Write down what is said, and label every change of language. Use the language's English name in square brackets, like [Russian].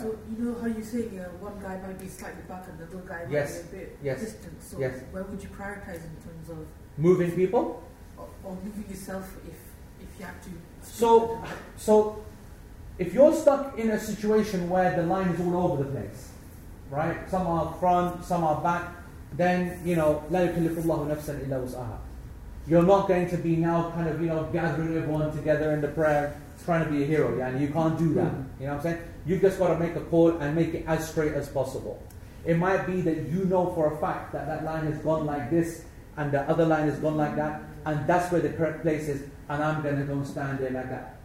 [English] So you know how you're saying, one guy might be slightly back and the other guy might be a bit distant. So where would you prioritize in terms of moving people, or moving yourself if you have to? So if you're stuck in a situation where the line is all over the place, right? Some are front, some are back. Then you know, [Arabic] لا يكلف الله نفسا إلا وسعها. [English] You're not going to be now kind of, you know, gathering everyone together in the prayer, trying to be a hero, yeah, and you can't do that. You know what I'm saying? You've just got to make a call and make it as straight as possible. It might be that you know for a fact that that line has gone like this and the other line has gone like that, and that's where the correct place is, and I'm going to go and stand there like that.